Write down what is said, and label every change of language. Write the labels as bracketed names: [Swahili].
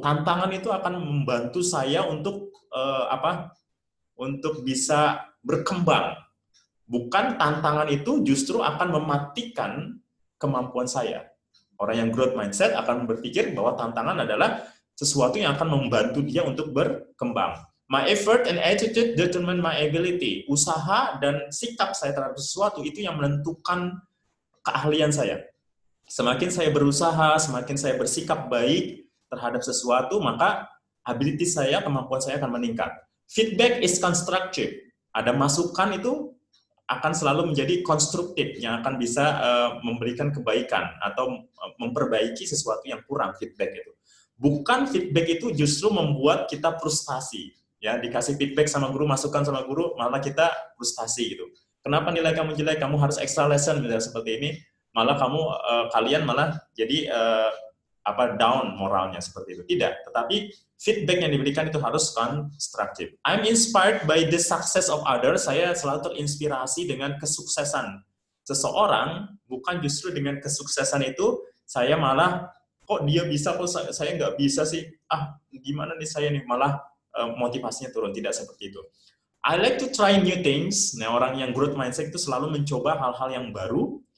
[Indonesian] Tantangan itu akan membantu saya untuk untuk bisa berkembang. Bukan tantangan itu justru akan mematikan kemampuan saya. Orang yang growth mindset akan berpikir bahwa tantangan adalah sesuatu yang akan membantu dia untuk berkembang. [English] My effort and attitude determine my ability. [Indonesian] Usaha dan sikap saya terhadap sesuatu itu yang menentukan keahlian saya. Semakin saya berusaha, semakin saya bersikap baik terhadap sesuatu, maka ability saya, kemampuan saya akan meningkat. [English] Feedback is constructive. [Indonesian] Ada masukan itu akan selalu menjadi konstruktif, yang akan bisa memberikan kebaikan atau memperbaiki sesuatu yang kurang, feedback itu. Bukan feedback itu justru membuat kita frustasi. Ya, dikasih feedback sama guru, masukan sama guru, malah kita frustasi gitu. Kenapa nilai kamu jelek? Kamu harus extra lesson misalnya seperti ini. Malah kamu, kalian malah jadi down moralnya seperti itu. Tidak, tetapi feedback yang diberikan itu harus constructive. [English] I'm inspired by the success of others. [Indonesian] Saya selalu terinspirasi dengan kesuksesan seseorang, bukan justru dengan kesuksesan itu, saya malah, kok dia bisa, kok saya nggak bisa sih? Ah, gimana nih saya nih? Malah motivasinya turun. Tidak seperti itu. [English] I like to try new things. [Indonesian] Nah, orang yang growth mindset itu selalu mencoba hal-hal yang baru.